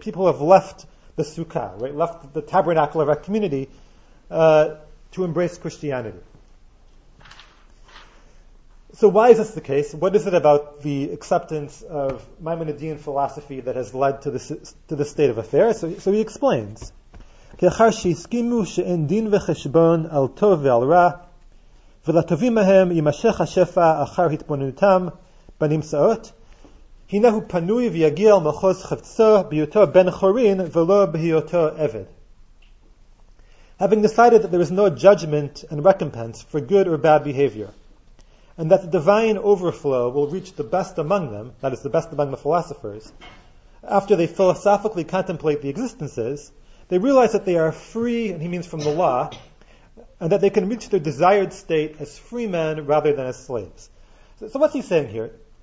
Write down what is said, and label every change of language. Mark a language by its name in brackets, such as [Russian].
[English] People have left the sukkah, right? Left the tabernacle of our community to embrace Christianity. So why is this the case? What is it about the acceptance of Maimonidean philosophy that has led to this state of affairs? So he explains. [Hebrew] כאחר שהסכימו שאין דין וחשבון על טוב ועל רע, ולטובים מהם יימשך השפע אחר התבוננותם בנמצאות, הנה הוא פנוי ויגיע אל מחוז חפצו בהיותו בן חורין ולא בהיותו עבד. [English] Having decided that there is no judgment and recompense for good or bad behavior, and that the divine overflow will reach the best among them, that is, the best among the philosophers, after they philosophically contemplate the existences, they realize that they are free, and he means from the law, and that they can reach their desired state as free men rather than as slaves. So what's he saying here?